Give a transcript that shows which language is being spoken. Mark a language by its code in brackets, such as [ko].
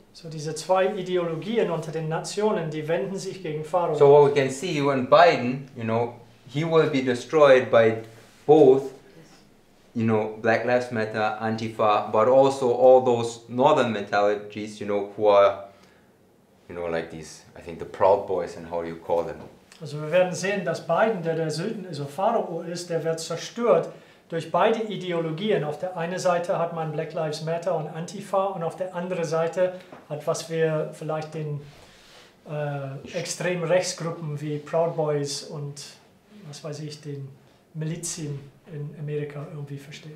[de] So diese zwei Ideologien unter den Nationen, die wenden sich gegen Pharaoh. [en] So what we can see when Biden, you know, he will be destroyed by both, you know, Black Lives Matter, Antifa, but also all those northern mentalities, you know, who are, you know, like these, I think the Proud Boys and how you call them. [de] Also wir werden sehen, dass Biden, der Süden, also Pharao ist, der wird zerstört durch beide Ideologien. Auf der einen Seite hat man Black Lives Matter und Antifa und auf der anderen Seite hat, was wir vielleicht den extrem Rechtsgruppen wie Proud Boys und, was weiß ich, den Milizien in Amerika irgendwie verstehen.